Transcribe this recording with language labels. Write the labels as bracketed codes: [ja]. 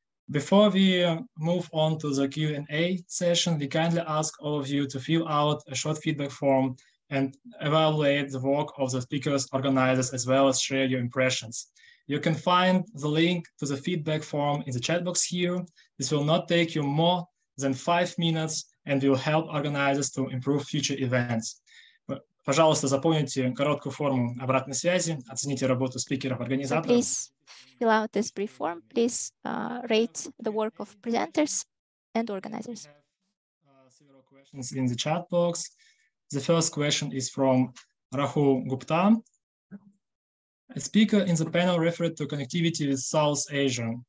[en] Before we move on to the Q&A session, we kindly ask all of you to fill out a short feedback form and evaluate the work of the speakers, organizers, as well as share your impressions. You can find the link to the feedback form in the chat box here. This will not take you more than 5 minutes and will help organizers to improve future events. [ru] Пожалуйста, заполните короткую форму обратной связи, оцените работу спикеров, организаторов. [en] So please fill out this brief form. Please rate the work of presenters and organizers. Several questions in the chat box. The first question is from Rahul Gupta. A speaker in the panel referred to connectivity with South Asia.